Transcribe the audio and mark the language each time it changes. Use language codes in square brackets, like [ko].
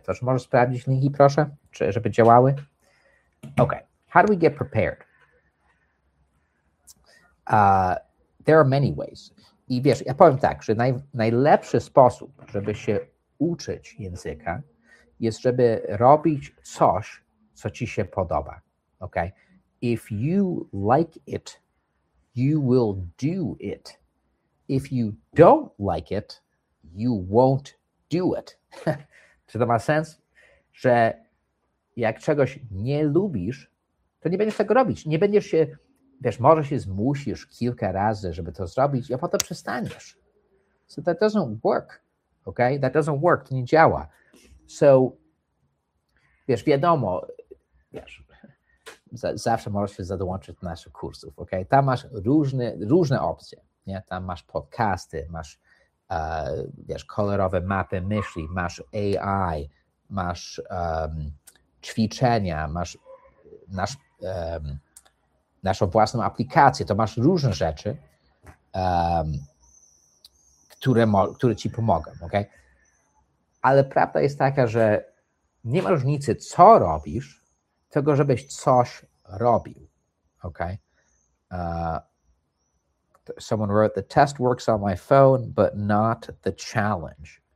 [pl] To, że możesz sprawdzić linki, proszę, żeby działały. Okay. [en] How do we get prepared? There are many ways. [pl] I wiesz, ja powiem tak, że najlepszy sposób, żeby się uczyć języka, jest, żeby robić coś, co ci się podoba, okay? [en] If you like it, you will do it. If you don't like it, you won't do it. [pl] Czy to ma sens? Że jak czegoś nie lubisz, to nie będziesz tego robić, nie będziesz się... Wiesz, może się zmusisz kilka razy, żeby to zrobić, a potem przestaniesz. [en] So that doesn't work, okay? That doesn't work, [pl] to nie działa. So, wiesz, wiadomo, wiesz, zawsze możesz się dołączyć do naszych kursów, okay? Tam masz różne opcje, nie? Tam masz podcasty, masz wiesz, kolorowe mapy myśli, masz AI, masz ćwiczenia, masz naszą własną aplikację, to masz różne rzeczy, które ci pomogą, okay? Ale prawda jest taka, że nie ma różnicy, co robisz, tylko żebyś coś robił, okay? [en] Someone wrote, the test works on my phone, but not the challenge.